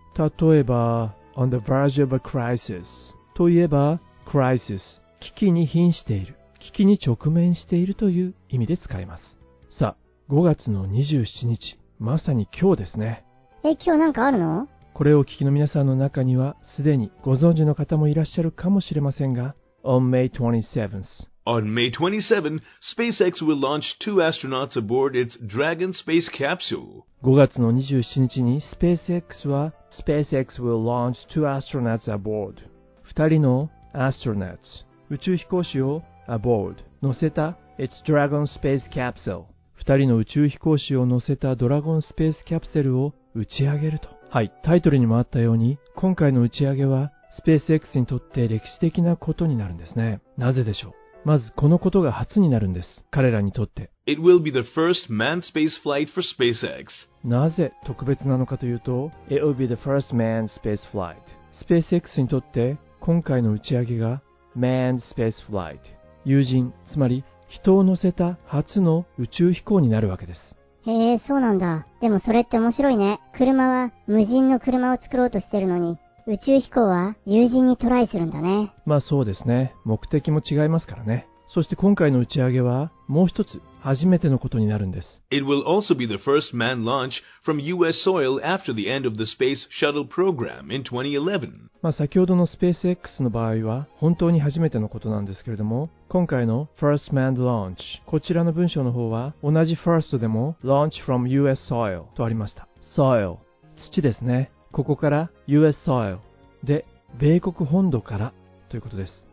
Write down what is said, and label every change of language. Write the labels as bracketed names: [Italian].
[Japanese] 例えば [English] On the verge of a crisis [Japanese] といえば crisis、 危機に瀕している、危機に直面しているという意味で使います。さあ5月の27日、まさに今日ですね。え、今日なんかあるの？これを聞きの皆さんの中にはすでにご存知の方もいらっしゃるかもしれませんが、 [English] On May 27th. On May 27th, SpaceX will launch two astronauts aboard its Dragon space capsule. [Japanese] 5月の27日に SpaceX は [English] SpaceX will launch two astronauts aboard. [Japanese] 2人の astronauts、 宇宙飛行士を aboard 乗せた [English] its Dragon space capsule。 [Japanese] 2人の宇宙飛行士を乗せたドラゴンスペースキャプセルを打ち上げると。はい、タイトルにもあったように今回の打ち上げはスペース X にとって歴史的なことになるんですね。なぜでしょう。まずこのことが初になるんです。彼らにとって。 [English] It will be the first manned space flight for SpaceX. [Japanese] なぜ特別なのかというと、 [English] It will be the first manned space flight. [Japanese] スペース X にとって今回の打ち上げが [English] manned space flight。 [Japanese] 有人、つまり人を乗せた初の宇宙飛行になるわけです。へえ、そうなんだ。でもそれって面白いね。車は無人の車を作ろうとしてるのに。宇宙飛行は有人にトライするんだね。まあそうですね。目的も違いますからね。そして今回の打ち上げはもう一つ初めてのことになるんです。 [English] It will also be the first manned launch from US soil after the end of the Space Shuttle program in 2011. [Japanese] まあ先ほどのスペース X の場合は本当に初めてのことなんですけれども、今回の [English] First Manned Launch、 [Japanese] こちらの文章の方は同じ First でも [English] Launch from US soil [Japanese] とありました。 Soil、 土ですね。ここから US soil で米国本土からということです。